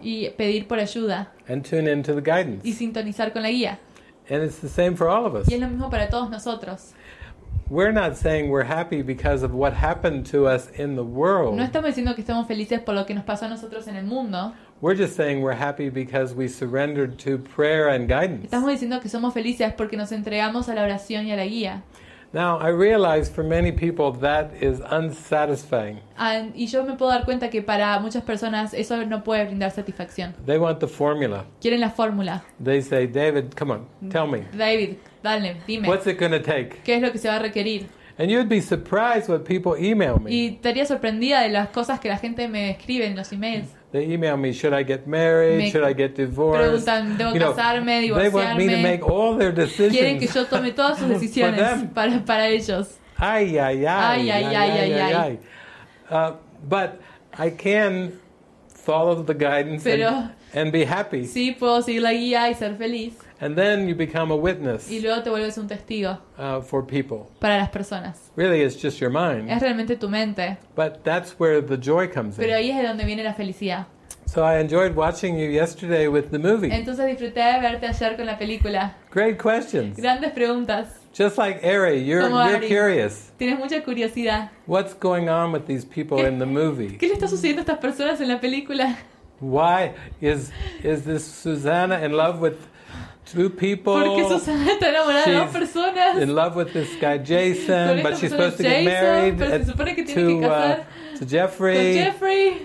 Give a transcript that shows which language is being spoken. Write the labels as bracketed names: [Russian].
[Spanish] Y pedir por ayuda. [English] And tune into the guidance. [Spanish] Y sintonizar con la guía. [English] And it's the same for all of us. [Spanish] Y es lo mismo para todos nosotros. [English] We're not saying we're happy because of what happened to us in the world. [Spanish] No estamos diciendo que estamos felices por lo que nos pasó a nosotros en el mundo. [English] We're just saying we're happy because we surrendered to prayer and guidance. [Spanish] Estamos diciendo que somos felices porque nos entregamos a la oración y a la guía. [English] Now, I realize for many people that is unsatisfying. [Spanish] Y yo me puedo dar cuenta que para muchas personas eso no puede brindar satisfacción. [English] They want the formula. [Spanish] Quieren la fórmula. [English] They say, David, come on, tell me. [Spanish] David, dale, dime. [English] What's it going to take? [Spanish] ¿Qué es lo que se va a requerir? [English] And you'd be surprised what people email me. [Spanish] Y estaría sorprendida de las cosas que la gente me escribe en los emails. [English] They email me, should I get married? Should I get divorced? [Spanish] Preguntan, ¿debo casarme, divorciarme? [English] They want me to make all their decisions. [Spanish] Quieren que yo tome todas sus decisiones para ellos. Ay, ay, ay. Ay, ay, ay, ay, ay, ay, ay. [English] But I can follow the guidance and be happy. [Spanish] Sí, puedo seguir la guía y ser feliz. [English] And then you become a witness. [Spanish] Y luego te vuelves un testigo. [English] For people. [Spanish] Para las personas. [English] Really, it's just your mind. [Spanish] Es realmente tu mente. [English] But that's where the joy comes [Spanish] pero Pero ahí es de donde viene la felicidad. [English] So I enjoyed watching you yesterday with the movie. [Spanish] Entonces disfruté de verte ayer con la película. [English] Great questions. [Spanish] Grandes preguntas. [English] Just like Ari, you're curious. [Spanish] Tienes mucha curiosidad. [English] What's going on with these people in the movie? [Spanish] ¿Qué le está sucediendo a estas personas en la película? [English] Why is this Susanna in love with two people? [Spanish] ¿Por qué Susanna está enamorada de dos personas? [English] In love with this guy Jason, but she's supposed to get married to Jeffrey.